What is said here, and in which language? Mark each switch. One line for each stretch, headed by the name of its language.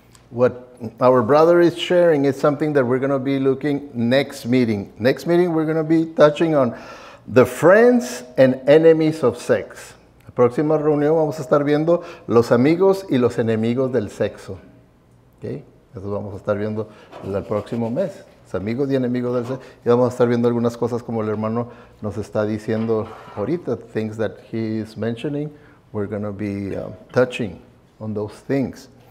English: What our brother is sharing is something that we're going to be looking next meeting. Next meeting we're going to be touching on the friends and enemies of sex.
Spanish: La próxima reunión vamos a estar viendo los amigos y los enemigos del sexo. Okay. Eso vamos a estar viendo el próximo mes. Amigos y enemigos del sexo. Y vamos a estar viendo algunas cosas como el hermano nos está diciendo ahorita.
English: Things that he is mentioning. We're going to be touching on those things.